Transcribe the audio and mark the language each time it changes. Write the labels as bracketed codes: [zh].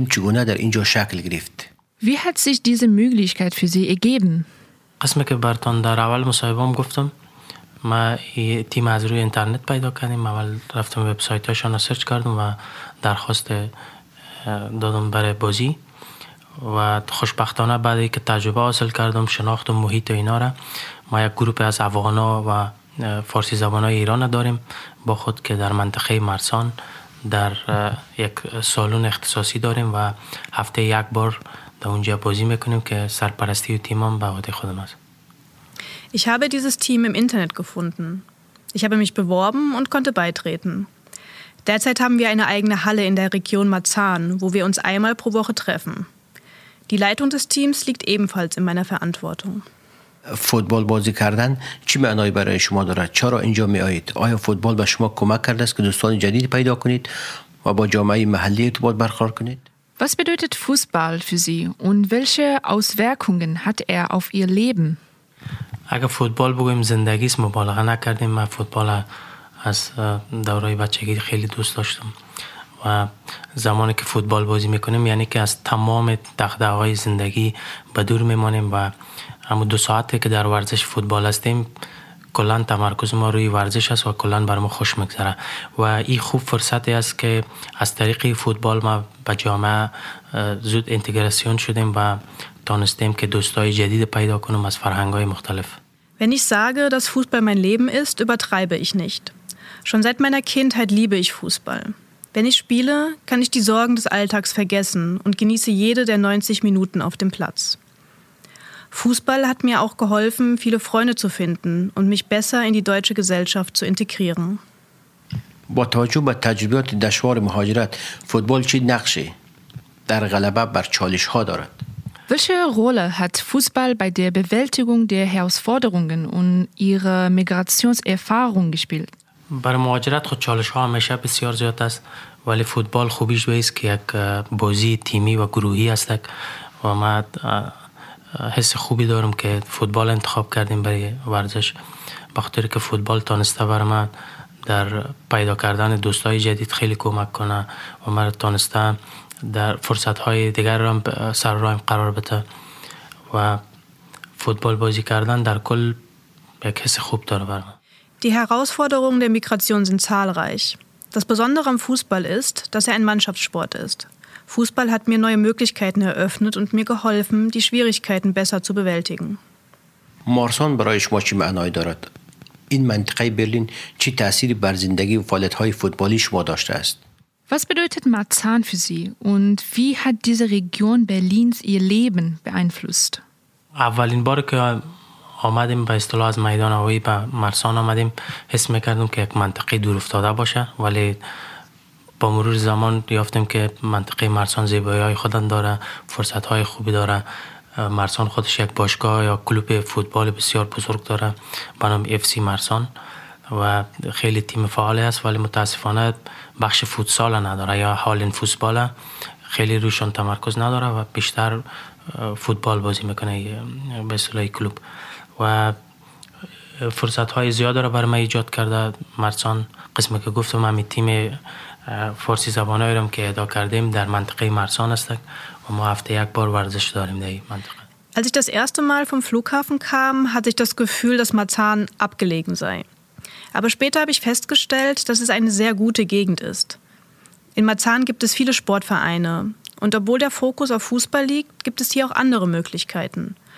[de] Wie hat sich diese Möglichkeit für Sie ergeben? [fa] ما تیم از روی اینترنت پیدا کردیم اول رفتم وبسایت هاشون رو سرچ کردم و درخواست دادم برای بازی و خوشبختانه بعد اینکه تجربه حاصل کردم شناخت و محیط و اینا را ما یک گروه از افغانا و فارسی زبان های ایران داریم با خود که در منطقه مرسان در یک سالون اختصاصی داریم و هفته یک بار در اونجا بازی میکنیم که سرپرستی و تیمم به عهده خودم است [de] Ich habe dieses Team im Internet gefunden. Ich habe mich beworben und konnte beitreten. Derzeit haben wir eine eigene Halle in der Region Marzahn, wo wir uns einmal pro Woche treffen. Die Leitung des Teams liegt ebenfalls in meiner Verantwortung. [fa] Football بازی کردن چی معنی برای شما دارد؟ چرا اینجا می آید؟ آیا فوتبال به شما کمک کرده است که دوستان جدید پیدا کنید و با جامعه محلی ارتباط برقرار کنید؟ [de] Was bedeutet Fußball für Sie und welche Auswirkungen hat er auf Ihr Leben? [fa] اگه فوتبال بگویم زندگی است مبالغه نکردیم من فوتبال از دوره بچگی خیلی دوست داشتم و زمانی که فوتبال بازی میکنیم یعنی که از تمام دغدغه‌های زندگی به دور میمونیم و همون دو ساعتی که در ورزش فوتبال هستیم کلان تمرکز ما روی ورزش است و کلان بر ما خوش میگذره و این خوب فرصتی است که از طریق فوتبال ما به جامعه زود انتگراسیون شدیم و تانستیم که دوستای جدید پیدا کنیم از فرهنگ‌های مختلف. [de] Wenn ich sage, dass Fußball mein Leben ist, übertreibe ich nicht. Schon seit meiner Kindheit liebe ich Fußball. Wenn ich spiele, kann ich die Sorgen des Alltags vergessen und genieße jede der 90 Minuten auf dem Platz. Fußball hat mir auch geholfen, viele Freunde zu finden und mich besser in die deutsche Gesellschaft zu integrieren. [fa] با توجه به تجربیات دشوار مهاجرت، فوتبال چه نقشی در غلبه بر چالش‌ها دارد؟ [de] Welche Rolle hat Fußball bei der Bewältigung der Herausforderungen und ihrer Migrationserfahrung gespielt? [fa] بر مهاجرت خود چالش‌ها همیشه بسیار زیاد است، ولی فوتبال خوبیش ویست که یک بازی تیمی و گروهی است و ما حس خوبی دارم که فوتبال انتخاب کردیم برای ورزش، بخاطر که فوتبال تانسته بر من در پیدا کردن دوستای جدید خیلی کمک کنه و من تانسته در فرصت‌های دیگر رو سر رایم قرار بده و فوتبال بازی کردن در کل یک حس خوب داره بر من. [de] Die Herausforderungen der Migration sind zahlreich. Das Besondere am Fußball ist, dass ein Mannschaftssport ist. Fußball hat mir neue Möglichkeiten eröffnet und mir geholfen, die Schwierigkeiten besser zu bewältigen. [fa] مارسان برای شما چی معنی دارد؟ این منطقه برلین چه تأثیری بر زندگی و فعالیت‌های فوتبالی شما داشته است؟ [de] Was bedeutet Marzahn für Sie und wie hat diese Region Berlins Ihr Leben beeinflusst? [fa] اولین بار که آمدیم به اصطلاح از میدان هوایی به مارسان آمدیم حس می‌کردم که یک منطقه دورافتاده باشه، ولی با مرور زمان یافتم که منطقه مارسان زیبایی‌های خودن داره، فرصت‌های خوبی داره. مارسان خودش یک باشگاه یا کلوب فوتبال بسیار بزرگ داره به نام اف سی مارسان و خیلی تیم فعال است، ولی متاسفانه بخش فوتسال نداره یا هالن فوتبال خیلی روشون تمرکز نداره و بیشتر فوتبال بازی میکنه به اصطلاح کلوب و فرصت‌های زیاد داره برای من ایجاد کرده مارسان. قسمی که گفتم من تیم فارسی زبانایی رو که ادا کردیم در منطقه مارسان است و ما هفته یک بار ورزش داریم در این منطقه. [de] Als ich das erste Mal vom Flughafen kam, hatte ich das Gefühl, dass Marzahn abgelegen sei. Aber später habe ich festgestellt, dass es eine sehr gute Gegend ist. In Marzahn gibt es viele Sportvereine und obwohl der Fokus auf Fußball liegt, gibt es hier auch andere Möglichkeiten.